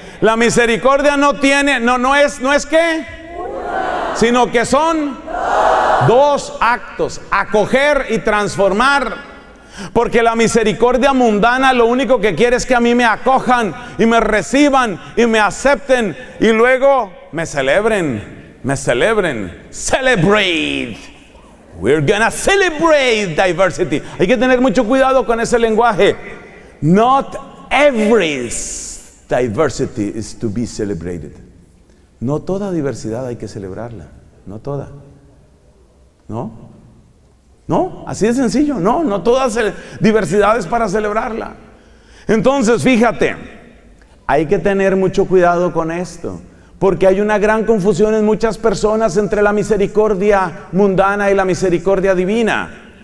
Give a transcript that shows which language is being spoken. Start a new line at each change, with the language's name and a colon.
Spanish: La misericordia no tiene, no es que sino que son dos actos, acoger y transformar. Porque la misericordia mundana lo único que quiere es que a mí me acojan y me reciban y me acepten y luego me celebren.
English: Celebrate. We're gonna celebrate diversity.
Spanish: Hay que tener mucho cuidado con ese lenguaje.
English: Not every diversity is to be celebrated.
Spanish: No toda diversidad hay que celebrarla. No toda. ¿No? ¿No? Así de sencillo. No toda diversidad es para celebrarla. Entonces, fíjate, hay que tener mucho cuidado con esto, porque hay una gran confusión en muchas personas entre la misericordia mundana y la misericordia divina.